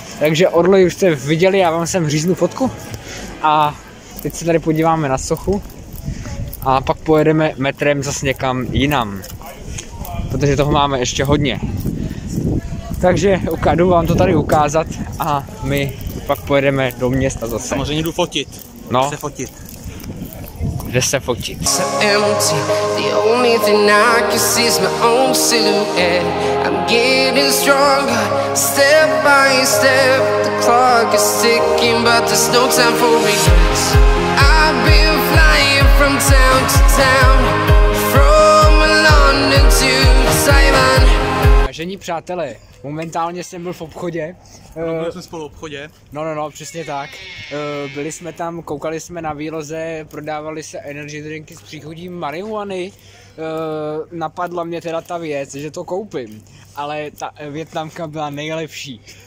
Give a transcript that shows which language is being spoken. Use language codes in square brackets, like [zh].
[cs] Takže Orloj už jste viděli, já vám sem říznu fotku a teď se tady podíváme na sochu a pak pojedeme metrem zase někam jinam, protože toho máme ještě hodně. Takže jdu vám to tady ukázat a my pak pojedeme do města zase. Samozřejmě jdu fotit. No. Kde se fotit? Kde se fotit? [en] So empty, the only thing I can see is my own silhouette. I'm getting stronger, step by step. The clock is ticking, but there's no time for me. I've been flying from town to town, from London to Taiwan. [cs] Vážení přátelé, momentálně jsem byl v obchodě. Byli jsme spolu v obchodě. No, přesně tak. Byli jsme tam, koukali jsme na výloze, prodávali se energy drinky s příchodím marihuany. Napadla mě teda ta věc, že to koupím. Ale ta Vietnamka byla nejlepší.